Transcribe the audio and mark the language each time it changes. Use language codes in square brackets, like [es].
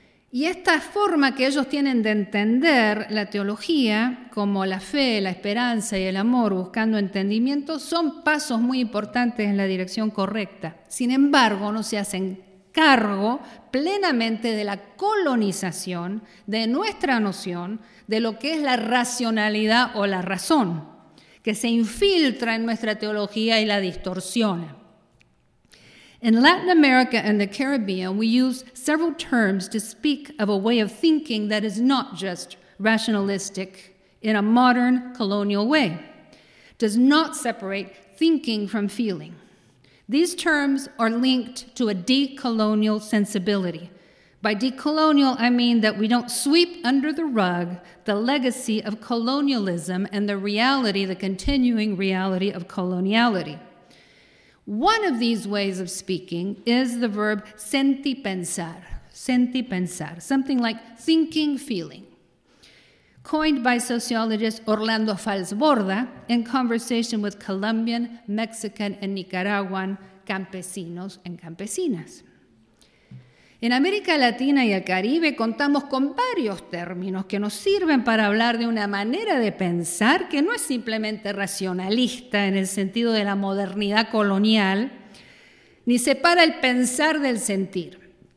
[es] Y esta forma que ellos tienen de entender la teología como la fe, la esperanza y el amor buscando entendimiento son pasos muy importantes en la dirección correcta. Sin embargo, no se hacen cargo plenamente de la colonización de nuestra noción de lo que es la racionalidad o la razón, que se infiltra en nuestra teología y la distorsiona. [en] In Latin America and the Caribbean, we use several terms to speak of a way of thinking that is not just rationalistic in a modern colonial way, does not separate thinking from feeling. These terms are linked to a decolonial sensibility. By decolonial, I mean that we don't sweep under the rug the legacy of colonialism and the reality, the continuing reality of coloniality. One of these ways of speaking is the verb sentipensar, something like thinking, feeling, coined by sociologist Orlando Falsborda in conversation with Colombian, Mexican, and Nicaraguan campesinos and campesinas. [es] En América Latina y el Caribe contamos con varios términos que nos sirven para hablar de una manera de pensar que no es simplemente racionalista en el sentido de la modernidad colonial, ni separa el pensar del sentir.